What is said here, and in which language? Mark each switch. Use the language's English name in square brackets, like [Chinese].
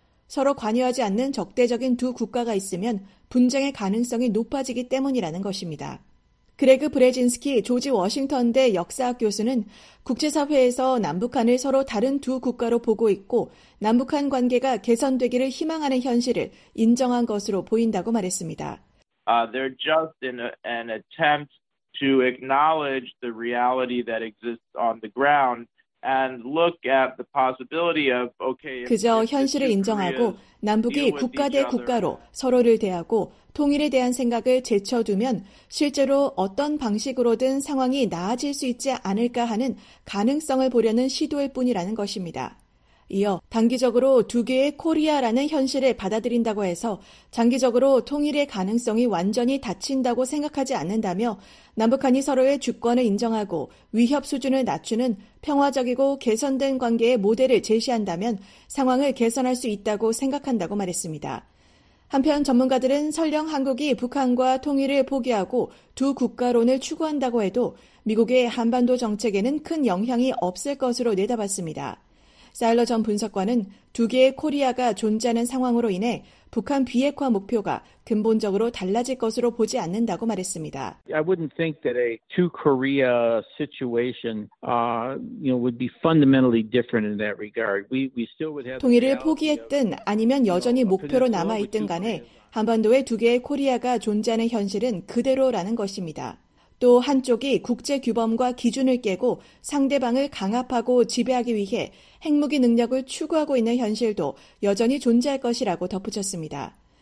[Korean] 서로 관여하지 않는 적대적인 두 국가가 있으면 분쟁의 가능성이 높아지기 때문이라는 것입니다. 그레그 브레진스키 조지 워싱턴대 역사학 교수는 국제사회에서 남북한을 서로 다른 두 국가로 보고 있고 남북한 관계가 개선되기를 희망하는 현실을 인정한 것으로 보인다고 말했습니다. [English] They're just in an attempt to acknowledge the reality that exists on the ground and look at the possibility of okay. [Korean] 그저 현실을 인정하고 남북이 국가 대 국가로 서로를 대하고 통일에 대한 생각을 제쳐두면 실제로 어떤 방식으로든 상황이 나아질 수 있지 않을까 하는 가능성을 보려는 시도일 뿐이라는 것입니다. 이어 단기적으로 두 개의 코리아라는 현실을 받아들인다고 해서 장기적으로 통일의 가능성이 완전히 닫힌다고 생각하지 않는다며 남북한이 서로의 주권을 인정하고 위협 수준을 낮추는 평화적이고 개선된 관계의 모델을 제시한다면 상황을 개선할 수 있다고 생각한다고 말했습니다. 한편 전문가들은 설령 한국이 북한과 통일을 포기하고 두 국가론을 추구한다고 해도 미국의 한반도 정책에는 큰 영향이 없을 것으로 내다봤습니다. 사일러 전 분석관은 두 개의 코리아가 존재하는 상황으로 인해 북한 비핵화 목표가 근본적으로 달라질 것으로 보지 않는다고 말했습니다. [English] I wouldn't think that a two Korea situation would be fundamentally different in that regard. We still would have [Korean] 통일을 포기했든 아니면 여전히 목표로 남아 있든 간에 한반도에 두 개의 코리아가 존재하는 현실은 그대로라는 것입니다. 또 한쪽이 국제 규범과 기준을 깨고 상대방을 강압하고 지배하기 위해 핵무기 능력을 추구하고 있는 현실도 여전히 존재할 것이라고 덧붙였습니다.